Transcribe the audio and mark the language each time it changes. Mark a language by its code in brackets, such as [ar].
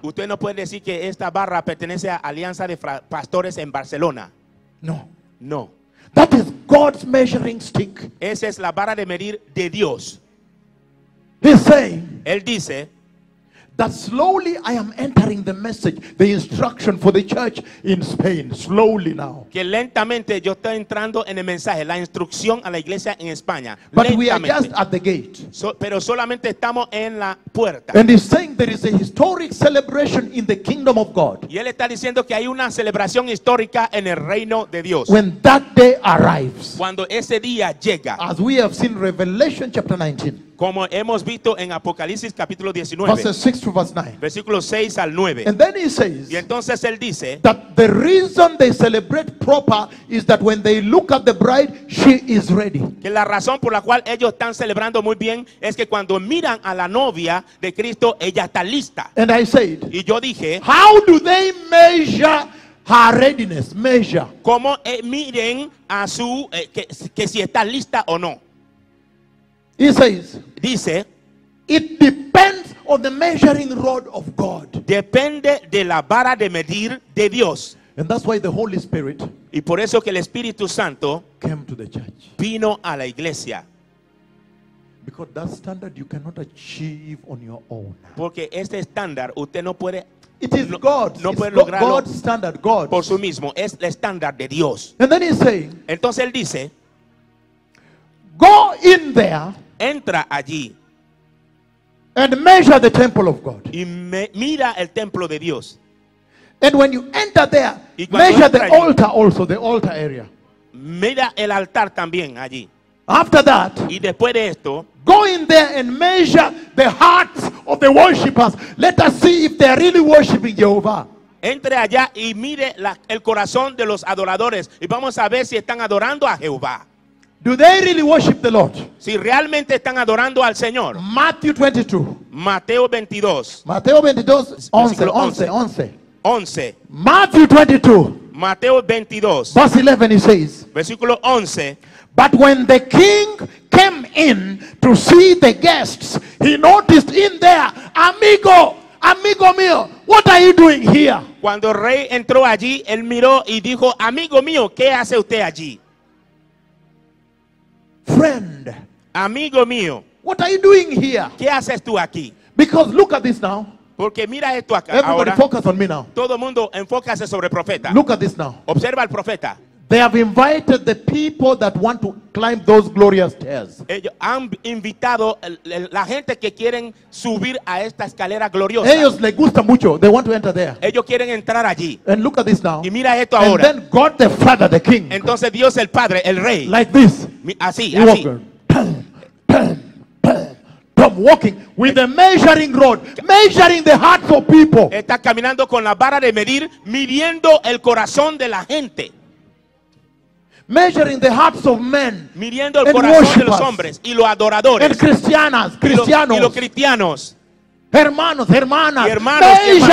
[es] Usted no puede decir que esta barra pertenece a Alianza de Pastores en Barcelona. No, no. [en] That is God's measuring stick. [es] Esa es la barra de medir de Dios. [en] He's saying, [es] él dice, [en] that slowly I am entering the message, the instruction for the church in Spain. Slowly now. [es] Que lentamente yo estoy entrando en el mensaje, la instrucción a la iglesia en España. [en] But [es] lentamente. [en] We are just at the gate. [es] So, pero solamente estamos en la puerta. [en] And he's saying there is a historic celebration in the kingdom of God. [es] Y él está diciendo que hay una celebración histórica en el reino de Dios. [en] When that day arrives. [es] Cuando ese día llega. [en] As we have seen Revelation chapter 19. [es] Como hemos visto en Apocalipsis capítulo 19, [en] verses 6 to verse 9. [es] Versículo 6 al 9. [en] And then he says, [es] y entonces él dice, [en] that the reason they celebrate proper is that when they look at the bride, she is ready. [es] Que la razón por la cual ellos están celebrando muy bien es que cuando miran a la novia de Cristo, ella está lista. [en] And I said, [es] y yo dije, [en] how do they measure her readiness? Measure. [es] ¿Cómo miren a su que si está lista o no? [en] He says, [es] dice, [en] it depends on the measuring rod of God. [es] Depende de la vara de medir de Dios. [en] And that's why the Holy Spirit, [es] y por eso que el Espíritu Santo, [en] came to the church. [es] Vino a la iglesia. [en] Because that standard you cannot achieve on your own. [es] Porque este estándar usted no puede. [en] It is God's. [es] No puede lograrlo. [en] God's standard. God. [es] Por su mismo es el estándar de Dios. [en] And then he says, [es] entonces él dice, [en] go in there. [es] Entra allí. [en] And measure the temple of God. [es] Y mira el templo de Dios. [en] And when you enter there, measure the altar also, the altar area. [es] Mira el altar también allí. [en] After that, [es] y después de esto, [en] go in there and measure the hearts of the worshippers. Let us see if they are really worshiping Jehovah. [es] Entre allá y mire el corazón de los adoradores y vamos a ver si están adorando a Jehová. [en] Do they really worship the Lord? [es] Si realmente están adorando al Señor. [en] Matthew 22. [es] Mateo 22. Mateo 22, 11, 11, 11. 11. [en] Matthew 22. [es] Mateo 22. [en] Verse 11 it says. [es] Versículo 11. [en] But when the king came in to see the guests, he noticed in there, [es] amigo, amigo mío, [en] what are you doing here? [es] Cuando el rey entró allí, él miró y dijo, amigo mío, ¿qué hace usted allí? [en] Friend, [es] amigo mío, [en] what are you doing here? [es] ¿Qué haces tú aquí? [en] Because look at this now. [es] Porque mira esto acá. [en] Everybody [es] ahora, [en] focus on me now. [es] Todo mundo enfócase sobre el profeta. [en] Look at this now. [es] Observa al profeta. [en] They have invited the people that want to climb those glorious stairs. [es] Ellos han invitado la gente que quieren subir a esta escalera gloriosa. Ellos les gusta mucho. [en] They want to enter there. [es] Ellos quieren entrar allí. [en] And look at this now. [es] Y mira esto [en] and [es] ahora. [en] And then God the Father, the King. [es] Entonces Dios el Padre, el Rey. [en] Like this. [es] Así, [en] he [es] así. [en] Walking. I'm walking with a measuring rod, measuring the hearts of people. [es] Está caminando con la vara de medir, midiendo el corazón de la gente. [en] Measuring the hearts of men, [es] midiendo el corazón de los hombres y los adoradores. And cristianas, cristianos. Y los cristianos. Hermanos, hermanas. Y hermanos, [en] measuring